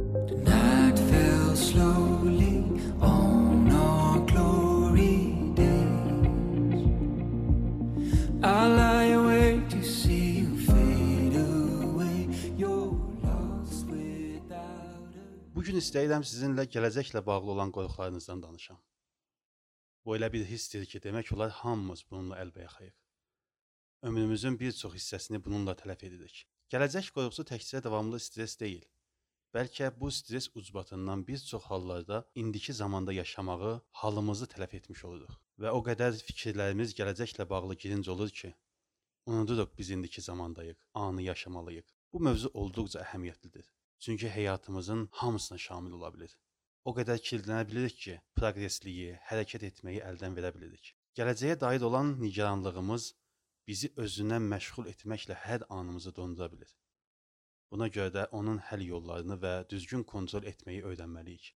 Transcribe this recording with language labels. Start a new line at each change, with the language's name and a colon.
English: The night fell slowly on our glory days. I lie awake to see you fade away, you're lost without a...
Azerbaijani: Bugün istəyirəm sizinlə gələcəklə bağlı olan qorxularınızdan danışam. Bu elə bir hissdir ki, demək olar, hamımız bununla əlbəyaxayıq. Ömrümüzün bir çox hissəsini bununla tələf edirik. Gələcək qorxusu təkcə davamlı stres deyil. Bəlkə bu stres ucbatından bir çox hallarda indiki zamanda yaşamağı, halımızı tələf etmiş oluruq. Və o qədər fikirlərimiz gələcəklə bağlı girinc olur ki, unuduruq biz indiki zamandayıq, anı yaşamalıyıq. Bu mövzu olduqca əhəmiyyətlidir. Çünki həyatımızın hamısına şamil ola bilir. O qədər kirlənə bilirik ki, progresliyi, hərəkət etməyi əldən verə bilirik. Gələcəyə dair olan nigaranlığımız bizi özünə məşğul etməklə hər anımızı dondura bilir. Buna görə də onun həll yollarını və düzgün kontrol etməyi öyrənməliyik.